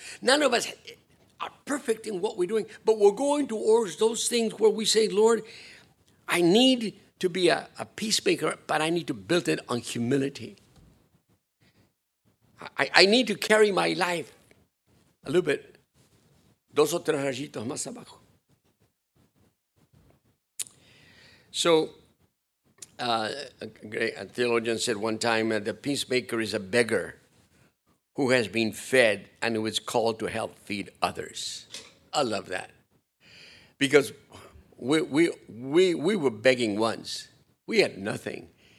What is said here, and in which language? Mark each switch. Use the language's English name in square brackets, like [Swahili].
[English] None of us are perfect in what we're doing, but we're going towards those things where we say, Lord, I need to be a peacemaker, but I need to build it on humility. I need to carry my life a little bit. [Spanish] Dos o tres rayitos más abajo. [English] So, a theologian said one time that the peacemaker is a beggar who has been fed and who is called to help feed others. I love that. Because we were begging once. We had nothing.